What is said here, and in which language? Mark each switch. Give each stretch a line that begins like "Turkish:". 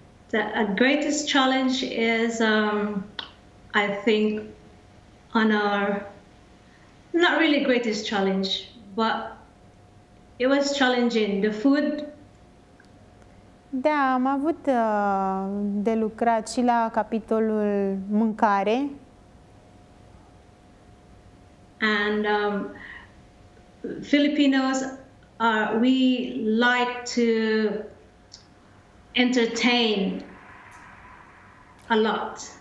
English: The greatest challenge is, I think, on our, not really greatest challenge, but it was challenging, the food.
Romanian: Da, am avut de lucrat și la capitolul mâncare.
English: And Filipinos, we like to entertain a lot.